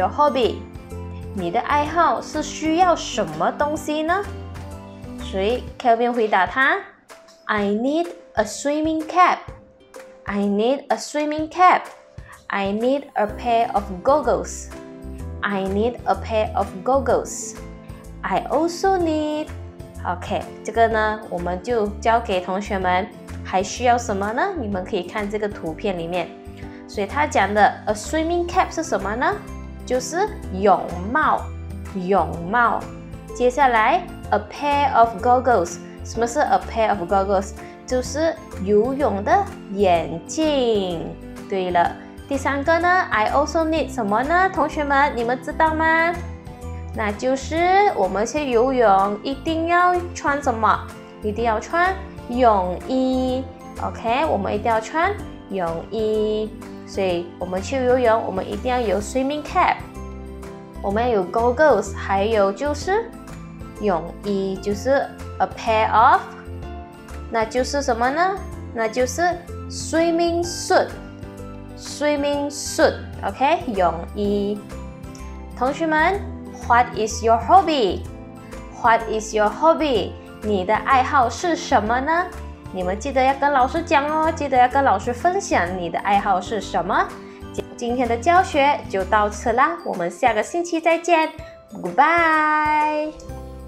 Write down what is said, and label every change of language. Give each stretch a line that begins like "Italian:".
Chinese: Hobby? 你的爱好是需要什么东西呢？
English: 所以 Kevin 回答他， I need a swimming cap. I need a pair of goggles. I also need...
Chinese: OK, 这个呢，我们就交给同学们。还需要什么呢？你们可以看这个图片里面。所以他讲的 a swimming cap 是什么呢？就是泳帽。接下来
English: a pair of goggles.
Chinese: 什么是
English: a pair of goggles?
Chinese: 就是游泳的眼镜。对了，第三个呢，
English: I also need
Chinese: 什么呢？同学们，你们知道吗？那就是我们去游泳一定要穿什么？一定要穿泳衣。OK, 我们一定要穿泳衣，所以我们去游泳，我们一定要有 swimming cap, 我们有 goggles, 还有就是泳衣，就是
English: a pair of,
Chinese: 那就是什么呢？那就是 swimming suit, OK, 泳衣。同学们，
English: What is your hobby?
Chinese: 你的爱好是什么呢？你们记得要跟老师讲哦，记得要跟老师分享你的爱好是什么。今天的教学就到此啦，我们下个星期再见， Goodbye!